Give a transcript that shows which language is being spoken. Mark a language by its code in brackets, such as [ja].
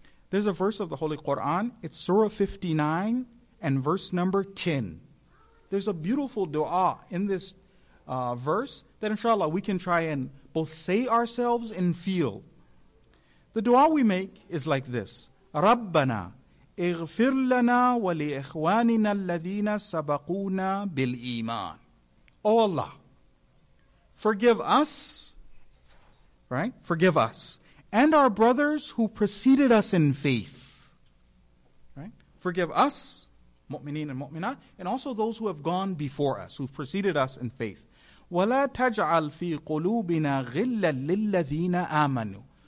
[en] There's a verse of the Holy Quran. It's Surah 59 and verse number 10. There's a beautiful dua in this verse that inshallah we can try and both say ourselves and feel. The dua we make is like this. [ar] Rabbana, اغفر لنا ولإخواننا الذين سبقونا بالإيمان. [en] Oh Allah, forgive us, right? Forgive us and our brothers who preceded us in faith. Right? Forgive us, mu'mineen and mu'minat, and also those who have gone before us, who've preceded us in faith. [ar] وَلَا تَجْعَلْ فِي قُلُوبِنَا غِلًّا لِلَّذِينَ آمَنُوا.